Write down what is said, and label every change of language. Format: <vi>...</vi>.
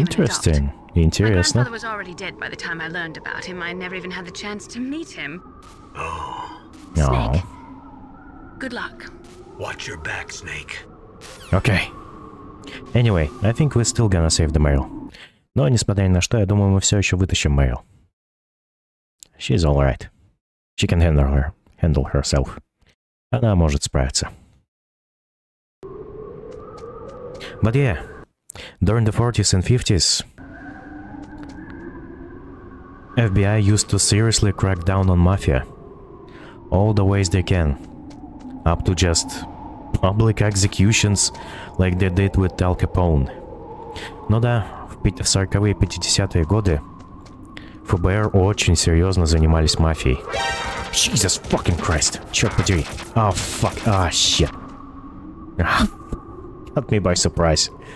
<en>interesting. An adult. Interesting. My grandfather was already dead by the time I learned about him. I never even had the chance to meet him. Oh. Snake. Good luck. Watch your back, Snake.</en> <ru>Окей.</ru> <en>Anyway, I think we're still gonna save the mail.</en> <ru>Но несмотря на что, я думаю, мы все еще вытащим mail.</ru> <en>She's alright. She can handle herself.</en> <ru>Она может справиться.</ru> <en>But yeah, during the 40s and 50s, FBI used to seriously crack down on mafia. All the ways they can. Up to just public executions, like they did with Al Capone.</en> <ru>Ну да, в 40-е и 50-е годы ФБР очень серьезно занимались мафией.</ru> <en>Jesus fucking Christ!</en> <ru>Черт подери!</ru> <en>Oh, fuck! Oh, shit! Got me by surprise.</en>